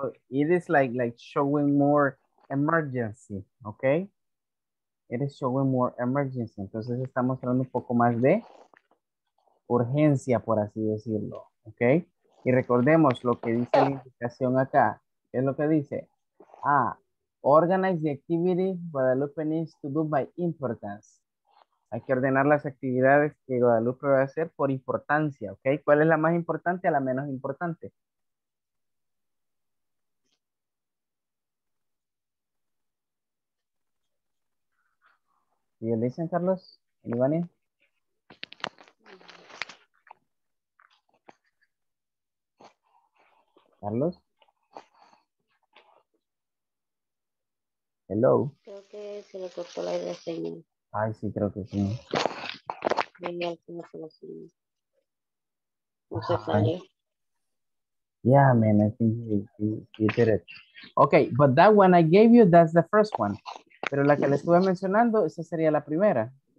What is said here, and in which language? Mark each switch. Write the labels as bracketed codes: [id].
[en] it is like showing more emergency, okay? It is showing more emergency. [es] Entonces está mostrando un poco más de urgencia, por así decirlo, okay? Y recordemos lo que dice la indicación acá. ¿Qué es lo que dice? [en] Ah, organize the activities Guadalupe needs to do by importance. [es] Hay que ordenar las actividades que Guadalupe va a hacer por importancia, ¿ok? ¿Cuál es la más importante a la menos importante? ¿Y le dicen, Carlos? ¿En Ivania? ¿Carlos? [en] ¿Hello? [es] Creo que se le cortó la idea, señor. Ay, sí, creo que sí. Genial, que no se lo sigue. No se sale. [en] Yeah, man, I think you did it. Okay, but that one I gave you, that's the first one. [es] Pero la que les estuve mencionando, esa sería la primera.